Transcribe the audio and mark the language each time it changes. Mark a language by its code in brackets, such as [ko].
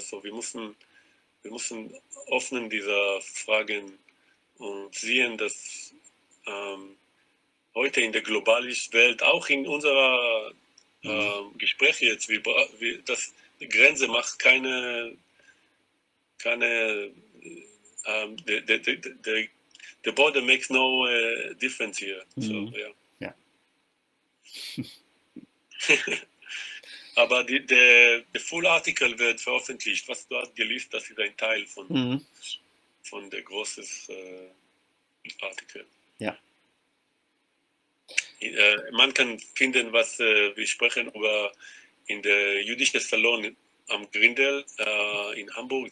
[de] So, wir müssen öffnen diese Fragen und sehen, dass heute in der globalen Welt, auch in unserer Gespräch jetzt, das die Grenze macht keine, keine, der de, de, de, de [en] The border makes no difference here. So, yeah. [de] Aber der Full Article wird veröffentlicht. Was du hast gelesen, das ist ein Teil von der großen Artikel. Man kann finden, was wir sprechen über in der jüdischen Salon am Grindel in Hamburg.